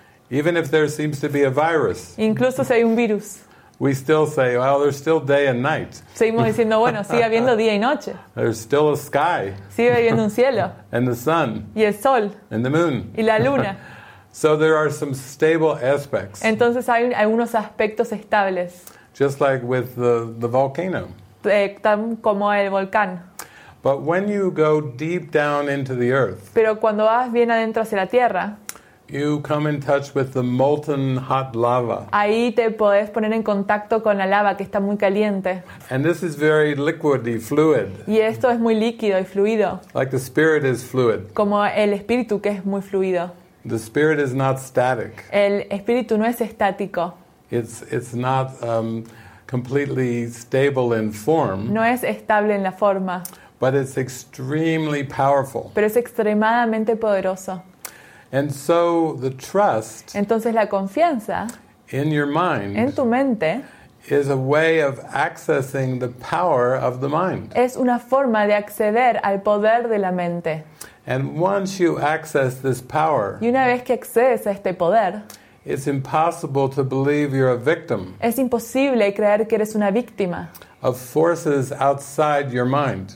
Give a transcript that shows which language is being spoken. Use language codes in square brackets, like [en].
[en] Even if there seems to be a virus, [es] incluso si hay un virus, [en] we still say, "Well, there's still day and night." [es] Seguimos diciendo, bueno, sigue habiendo día y noche. [en] There's still a sky. [es] Sigue habiendo un cielo. [en] And the sun. [es] Y el sol. [en] And the moon. [es] Y la luna. [en] So there are some stable aspects. [es] Entonces hay algunos aspectos estables. [en] Just like with the volcano. [es] Tan como el volcán. [en] But when you go deep down into the earth, [es] pero cuando vas bien adentro hacia la tierra. [en] You come in touch with the molten hot lava. [es] Ahí te podés poner en contacto con la lava que está muy caliente. [en] And this is very liquidy, fluid. [es] Y esto es muy líquido y fluido. [en] Like the spirit is fluid. [es] Como el espíritu que es muy fluido. [en] The spirit is not static. [es] El espíritu no es estático. [en] It's not completely stable in form. [es] No es estable en la forma. [en] But it's extremely powerful. [es] Pero es extremadamente poderoso. [en] And so the trust. [es] Entonces la confianza. [en] In your mind. [es] En tu mente. [en] Is a way of accessing the power of the mind. [es] Es una forma de acceder al poder de la mente. [en] And once you access this power. [es] Y una vez que accedes a este poder. [en] It's impossible to believe you're a victim. [es] Es imposible creer que eres una víctima. [en] Of forces outside your mind.